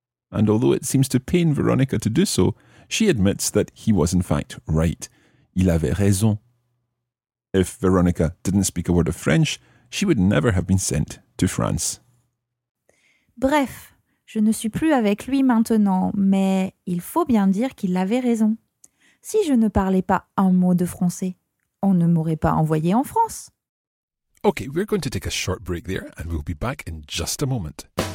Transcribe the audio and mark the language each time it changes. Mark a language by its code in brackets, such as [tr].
[en] And although it seems to pain Veronica to do so, she admits that he was in fact right. [fr] Il avait raison. [en] If Veronica didn't speak a word of French, she would never have been sent to France. [fr] Bref, je ne suis plus avec lui maintenant, mais il faut bien dire qu'il avait raison. Si je ne parlais pas un mot de français, on ne m'aurait pas envoyé en France. [en] Okay, we're going to take a short break there and we'll be back in just a moment.